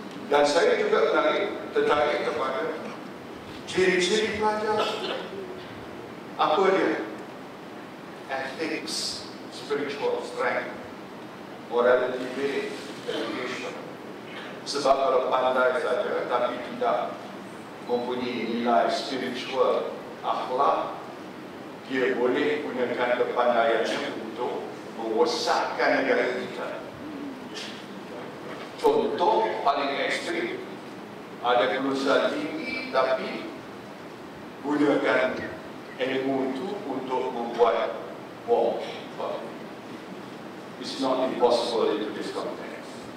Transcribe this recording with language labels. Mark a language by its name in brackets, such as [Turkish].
[Malay] Dan saya juga tertarik kepada ciri-ciri pelajar. Apa dia? [English] Ethics, spiritual strength, morality based education. [Malay] Sebab kalau pandai saja tapi tidak mempunyai nilai spiritual akhlak, dia boleh gunakan kepandaian untuk mengosakkan negara kita. Contoh paling ekstrim, ada kelulusan tinggi tapi gunakan ilmu itu untuk membuat bom. [English] It's not impossible in this context.